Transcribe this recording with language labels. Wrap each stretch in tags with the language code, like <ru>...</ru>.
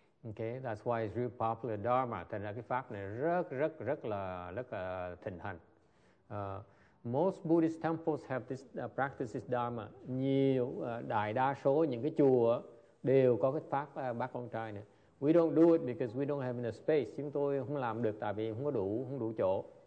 <en>Okay, that's why it's real popular dharma.</en> <vi>Thành ra cái pháp này rất là thịnh hành.</vi> <en>Most Buddhist temples have this practices dharma.</en> <vi>Nhiều đại đa số những cái chùa đều có cái pháp bát khoáng trai này.</vi> <en>We don't do it because we don't have enough space.</en> <vi>Chúng tôi không làm được tại vì không có đủ chỗ.</vi>